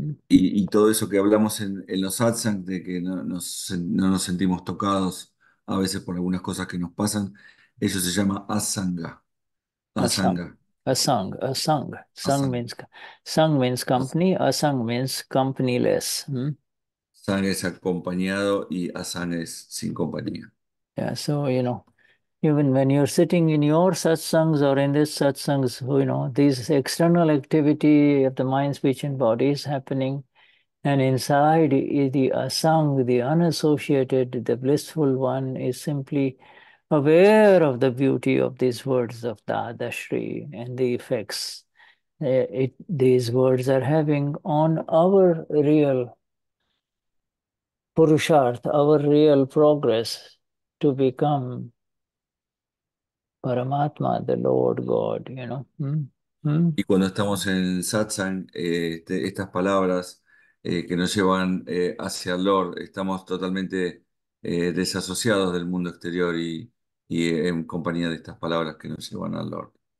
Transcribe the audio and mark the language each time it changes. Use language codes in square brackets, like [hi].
[es] Y todo eso que hablamos en los satsang, de que no nos sentimos tocados a veces por algunas cosas que nos pasan, eso se llama asanga. Asanga. [en] A sung, sung Asanga. means, sung means company, a sung means companyless. [es] Sang es acompañado y asanga es sin compañía. [en] Yeah, so you know, even when you're sitting in your satsangs or in this satsangs, you know, these external activity of the mind, speech, and body is happening, and inside is the asung, the unassociated, the blissful one is simply aware of the beauty of these words of Dadashri and the effects these words are having on our real Purushartha, our real progress to become Paramatma, the Lord God, you know. [es] Y cuando estamos en satsang, estas palabras que nos llevan hacia el Lord, estamos totalmente desasociados del mundo exterior y en compañía de estas palabras que nos llevan al Lord.